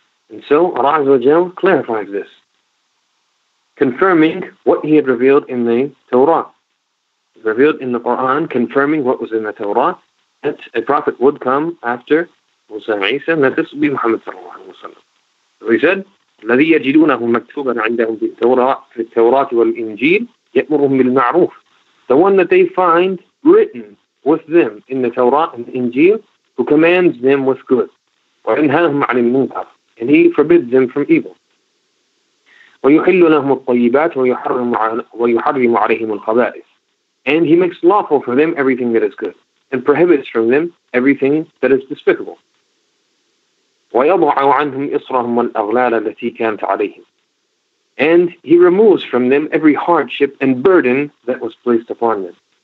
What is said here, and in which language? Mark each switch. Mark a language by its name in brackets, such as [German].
[English] And so Allah Azzawajal clarifies this, confirming what he had revealed in the Torah. He revealed in the Quran, confirming what was in the Torah, that a prophet would come after Musa and Isa, and that this would be Muhammad sallallahu alayhi wa sallam. So he said, [Arabic] الذي يجدونه مكتوبا عندهم في التوراة والإنجيل يأمرهم بالمعروف. [English] The one that they find written with them in the Torah and the Injil, who commands them with good. [Arabic] وينهاهم عن المنكر. [English] And he forbids them from evil. [Arabic] ويحل لهم الطيبات ويحرم عليهم الخبائث. [English] And he makes lawful for them everything that is good, and prohibits from them everything that is despicable. [Arabic] وَيَضَعُ عَنْهُمْ إِصْرَهُمْ وَالْأَغْلَالَ الَّتِي كَانْتَ عَلَيْهِمْ. [English] And he removes from them every hardship and burden that was placed upon them.